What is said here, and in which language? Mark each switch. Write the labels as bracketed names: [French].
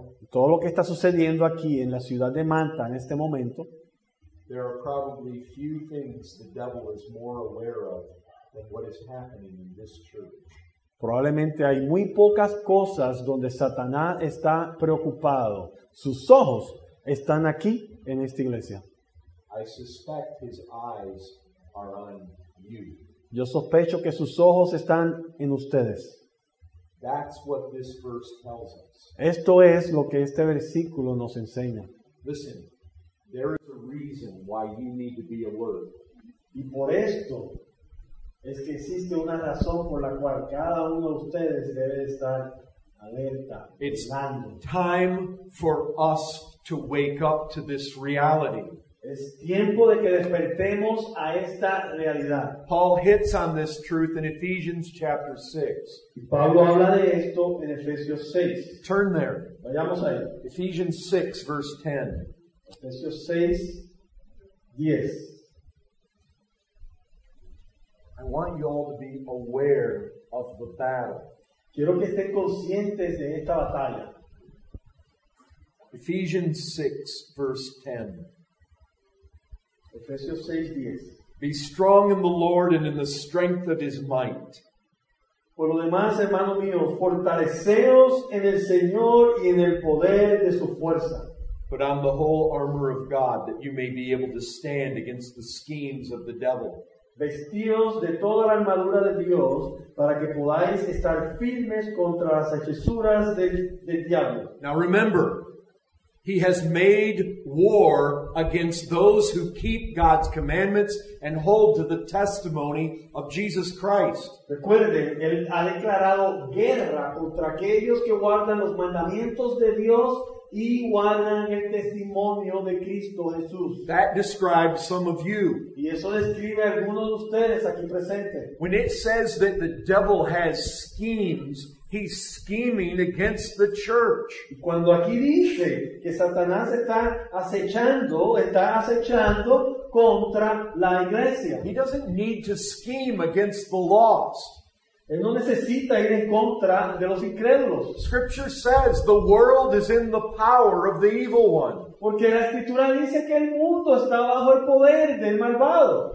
[Spanish] Todo lo que está sucediendo aquí en la ciudad de Manta en este momento, [English] there are probably few things the devil is more aware of than what is happening in this church. [Spanish] Probablemente hay muy pocas cosas donde Satanás está preocupado. Sus ojos están aquí en esta iglesia. [English] I suspect his eyes are on you. [Spanish] Yo sospecho que sus ojos están en ustedes. [English] That's what this verse tells us. [Spanish] Esto es lo que este versículo nos enseña. [English] Listen. There is a reason why you need to be alert. [Spanish] Y por esto es que existe una razón por la cual cada uno de ustedes debe estar alerta. [English] It's time for us to wake up to this reality. [Spanish] Es tiempo de que despertemos a esta realidad. [English] Paul hits on this truth in Ephesians chapter 6. [Spanish] Y Pablo habla de esto en Efesios 6. [English] Turn there. [Spanish] Vayamos ahí. [English] Ephesians 6 verse 10. [Spanish] Efesios 6, 10. [English] I want you all to be aware of the battle. [Spanish] Quiero que estén conscientes de esta batalla. [English] Ephesians 6, verse 10. [Spanish] Efesios 6, 10. [English] Be strong in the Lord and in the strength of His might. [Spanish] Por lo demás, hermano mío, fortaleceos en el Señor y en el poder de su fuerza. [English] Put on the whole armor of God that you may be able to stand against the schemes of the devil. [Spanish] Vestíos de toda la armadura de Dios para que podáis estar firmes contra las hechizuras del diablo. [English] Now remember, he has made war against those who keep God's commandments and hold to the testimony of Jesus Christ. [Spanish] Recuerden, él ha declarado guerra contra aquellos que guardan los mandamientos de Dios y guardan el testimonio de Cristo Jesús. [English] That describes some of you. [Spanish] Y eso describe a algunos de ustedes aquí presentes. [English] When it says that the devil has schemes, he's scheming against the church. [Spanish] Y cuando aquí dice que Satanás está acechando contra la iglesia. [English] He doesn't need to scheme against the lost. [Spanish] Él no necesita ir en contra de los incrédulos. [English] Scripture says the world is in the power of the evil one. [Spanish] Porque la escritura dice que el mundo está bajo el poder del malvado.